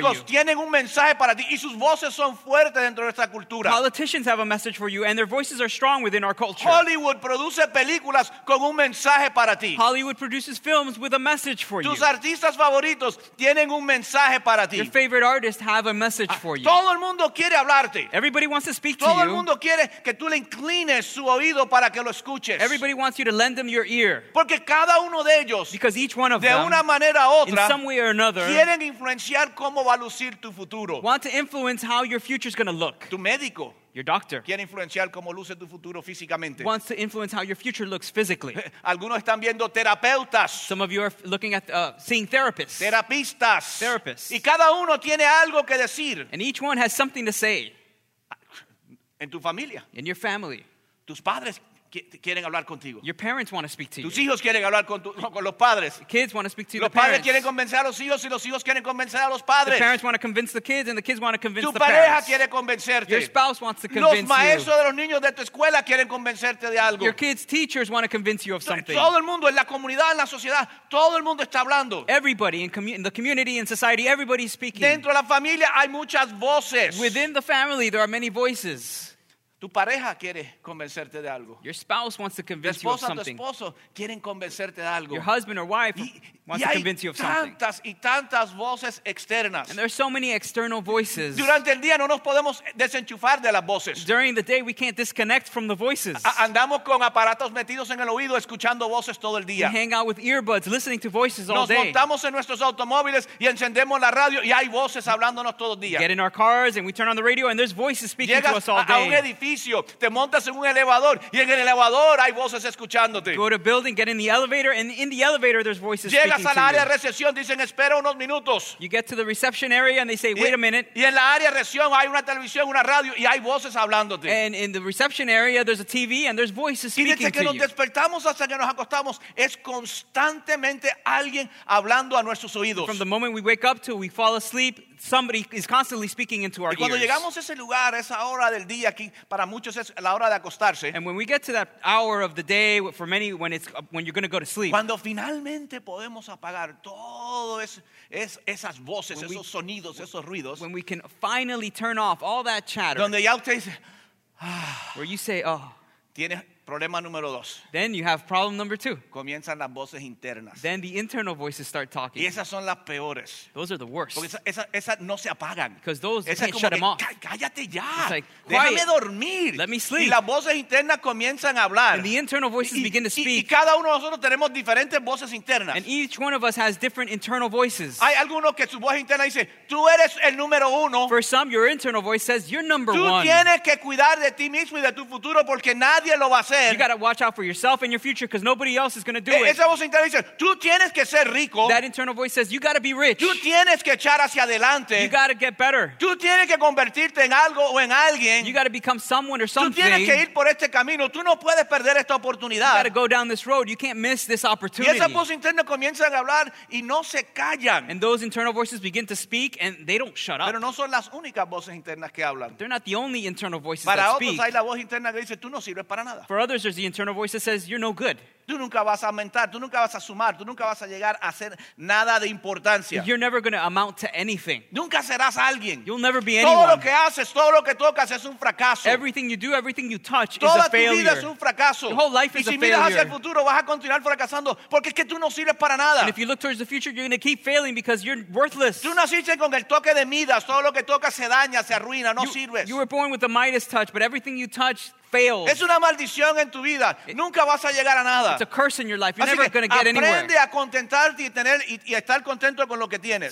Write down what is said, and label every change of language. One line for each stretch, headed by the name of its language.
Spanish: Los políticos tienen un mensaje para ti y sus voces son fuertes dentro de nuestra cultura.
English: Politicians have a message for you and their voices are strong within our culture.
Spanish: Hollywood produce películas con un mensaje para ti.
English: Hollywood produces films with a message for
Spanish: tus
English: you.
Spanish: Tus artistas favoritos tienen un mensaje para ti.
English: Your favorite artists have a message for you.
Spanish: Todo el mundo quiere hablarte.
English: Everybody wants to speak
Spanish: todo
English: to you.
Spanish: Todo el mundo quiere que tú le inclines su oído para que lo escuches.
English: Everybody wants you to lend them your ear.
Spanish: Porque cada uno de ellos,
English: because each one of
Spanish: de
English: them,
Spanish: una manera u otra,
English: in some way or another,
Spanish: quieren influenciar cómo va a lucir tu futuro.
English: Want to influence how your future is going to look.
Spanish: Tu médico.
English: Your doctor
Spanish: quiere influenciar cómo luce tu futuro físicamente.
English: Wants to influence how your future looks physically.
Spanish: Algunos están viendo terapeutas.
English: Some of you are looking at seeing therapists.
Spanish: Terapistas.
English: Therapists.
Spanish: Y cada uno tiene algo que decir.
English: And each one has something to say.
Spanish: En tu familia.
English: In your family.
Spanish: Tus padres quieren hablar contigo.
English: Your parents want to speak to you.
Spanish: Tus hijos quieren hablar con los padres.
English: Kids want to speak to
Spanish: los
English: the parents.
Spanish: Los padres quieren convencer a los hijos y los hijos quieren convencer a los padres.
English: The parents want to convince the kids and the kids want to convince
Spanish: tu
English: the parents.
Spanish: Tu pareja quiere convencerte.
English: Your spouse wants to convince you.
Spanish: Los maestros
English: you.
Spanish: De los niños de tu escuela quieren convencerte de algo.
English: Your kids' teachers want to convince you of something.
Spanish: Todo el mundo en la comunidad, en la sociedad, todo el mundo está hablando.
English: Everybody in the community, in society, everybody is speaking.
Spanish: Dentro de la familia hay muchas voces.
English: Within the family, there are many voices.
Spanish: Tu pareja quiere convencerte de algo.
English: Your spouse wants to convince you of something.
Spanish: Tu esposo quieren convencerte de algo.
English: Your husband or wife wants to convince you of something.
Spanish: Y hay tantas y tantas voces externas.
English: And there's so many external voices.
Spanish: Durante el día no nos podemos desenchufar de las voces.
English: During the day we can't disconnect from the voices.
Spanish: Andamos con aparatos metidos en el oído escuchando voces todo el día.
English: We hang out with earbuds listening to voices all day.
Spanish: Nos montamos en nuestros automóviles y encendemos la radio y hay voces hablándonos todo el día.
English: Get in our cars and we turn on the radio and there's voices speaking to us all day.
Spanish: Te montas en un elevador y en el elevador hay voces escuchándote.
English: Go to a building, get in the elevator, and in the elevator there's voices
Spanish: llegas a la
English: to
Spanish: área
English: you.
Spanish: De recepción, dicen, espera unos minutos.
English: You get to the reception area and they say, wait a minute.
Spanish: Y en la área de recepción hay una televisión, una radio y hay voces hablándote.
English: And in the reception area there's a TV and there's voices speaking
Spanish: y desde que
English: to
Spanish: nos
English: you.
Spanish: Despertamos hasta que nos acostamos es constantemente alguien hablando a nuestros oídos.
English: From the moment we wake up till we fall asleep, somebody is constantly speaking into our
Spanish: y cuando
English: ears.
Spanish: Llegamos a ese lugar, esa hora del día aquí, para muchos es la hora de acostarse.
English: And when we get to that hour of the day, for many, when you're going to go to sleep.
Spanish: Cuando finalmente podemos apagar todo esas voces, esos sonidos, esos ruidos.
English: When we can finally turn off all that chatter.
Spanish: Donde ya usted dice,
English: where you say, oh.
Spanish: Tienes problema número dos.
English: Then you have problem number two.
Spanish: Comienzan las voces internas.
English: Then the internal voices start talking.
Spanish: Y esas son las peores.
English: Those are the worst.
Spanish: Porque esas no se apagan.
English: Because those, you can't shut them off.
Spanish: Cállate ya.
English: It's like,
Spanish: déjame dormir.
English: Let me sleep.
Spanish: Y las voces internas comienzan a hablar.
English: And the internal voices begin to speak.
Spanish: Y cada uno de nosotros tenemos diferentes voces internas.
English: And each one of us has different internal voices.
Spanish: Hay algunos que su voz interna dice, tú eres el número uno.
English: For some, your internal voice says, you're number
Spanish: tú
English: one.
Spanish: Tú tienes que cuidar de ti mismo y de tu futuro porque nadie lo va a hacer.
English: You got to watch out for yourself and your future because nobody else is going to do it.
Spanish: Esa voz interna dice, tú tienes que ser rico.
English: That internal voice says, you got to be rich.
Spanish: Tú tienes que echar hacia adelante.
English: You got to get better.
Spanish: Tú tienes que convertirte en algo o en alguien.
English: You got to become someone or something.
Spanish: Tú tienes que ir por este camino. Tú no puedes perder esta oportunidad.
English: You got to go down this road. You can't miss this opportunity.
Spanish: Y esa voz interna comienza a hablar y no se callan.
English: And those internal voices begin to speak and they don't shut up.
Spanish: Pero no son las únicas voces internas que hablan.
English: They're not the only internal voices
Spanish: para
English: that
Spanish: otros,
English: speak.
Spanish: Para otros hay la voz interna que dice, tú no sirves para nada.
English: For others, there's the internal voice that says, you're no good.
Spanish: Tú nunca vas a aumentar, tú nunca vas a sumar, tú nunca vas a llegar a hacer nada de importancia.
English: You're never going to amount to anything.
Spanish: Nunca serás alguien.
English: You'll never be
Spanish: todo
English: anyone.
Spanish: Todo lo que haces, todo lo que tocas es un fracaso.
English: Everything you do, everything you touch
Spanish: toda
English: is a failure.
Spanish: Toda tu vida es un fracaso.
English: Your whole life
Spanish: y
English: is
Spanish: si
English: a failure.
Spanish: Y si miras hacia el futuro, vas a continuar fracasando porque es que tú no sirves para nada.
English: And if you look towards the future, you're going to keep failing because you're worthless.
Spanish: Tú naciste con el toque de Midas, todo lo que tocas se daña, se arruina, no sirves.
English: You were born with the Midas touch, but everything you touch fails.
Spanish: Es una maldición en tu vida. Nunca vas a llegar a nada.
English: It's a curse in your life. You're never going to get anywhere.
Spanish: Aprende a contentarte y estar contento con lo que tienes.